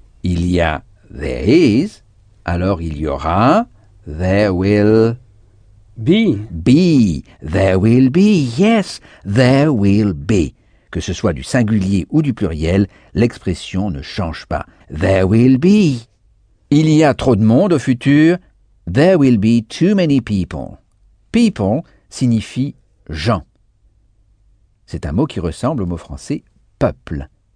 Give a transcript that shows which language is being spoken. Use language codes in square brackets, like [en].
[fr] Il y a [en] there is, [fr] alors il y aura [en] there will be. Be. There will be. Yes. There will be. [fr] Que ce soit du singulier ou du pluriel, l'expression ne change pas. [en] There will be. [fr] Il y a trop de monde au futur. [en] There will be too many people. [fr] People signifie gens. C'est un mot qui ressemble au mot français peuple.